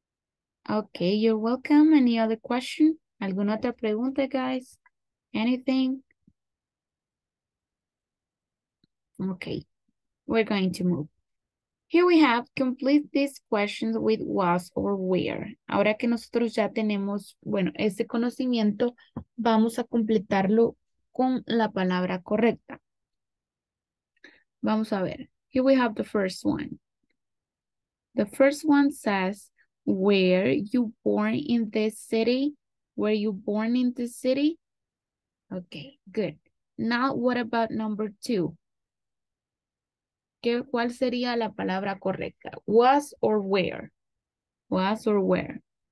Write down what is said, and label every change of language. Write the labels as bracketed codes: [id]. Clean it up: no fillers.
[en] you. Okay, you're welcome. Any other question? [es] ¿Alguna otra pregunta, [en] guys? Anything? Okay, we're going to move. Here we have complete these questions with was or where. [es] Ahora que nosotros ya tenemos, bueno, este conocimiento, vamos a completarlo con la palabra correcta. Vamos a ver. [en] Here we have the first one. The first one says, were you born in this city? Were you born in this city? Okay, good. Now, what about number two? [es] ¿Cuál sería la palabra correcta? [en] Was or where? Was or where?